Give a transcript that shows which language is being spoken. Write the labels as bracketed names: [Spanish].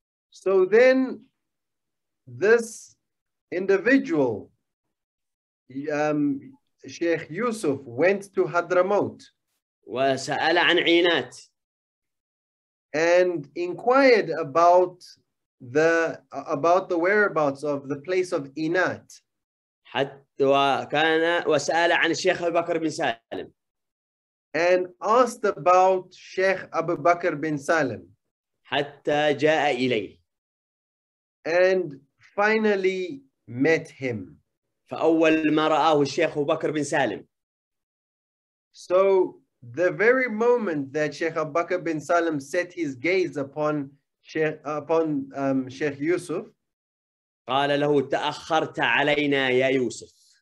[English] So then, this individual, Sheikh Yusuf, went to Hadramaut. [Arabic] وسأل عن عينات. [English] And inquired about the whereabouts of the place of عينات. [Arabic] حتى وكان وسأل عن الشيخ أبو بكر بن سالم. [English] And asked about Sheikh Abu Bakr bin Salim. [Arabic] حتى جاء إليه. [English] And finally met him. [Arabic] فأول ما رآه الشيخ أبو بكر بن سالم. [English] So the very moment that Sheikh Abu Bakr bin Salim set his gaze upon Sheikh Yusuf. [Arabic] قال له تأخرت علينا يا يوسف.